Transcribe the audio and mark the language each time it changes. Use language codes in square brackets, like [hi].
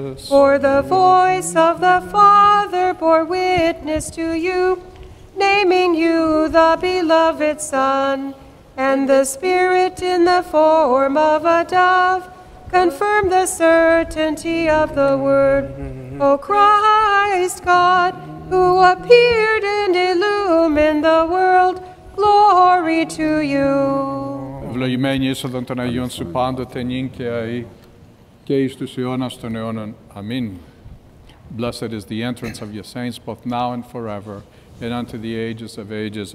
[en] For the voice of the Father bore witness to you, naming you the beloved Son, and the Spirit in the form of a dove confirmed the certainty of the word. O Christ God, who appeared and illumined the world, glory to you. [el] Ευλογημένοι είσαι τον των Αγίων σου πάντοτε, νυν και αΐ, και εις τους αιώνας των αιώνων. Αμήν. [en] Blessed is the entrance of your saints, both now and forever, and unto the ages of ages.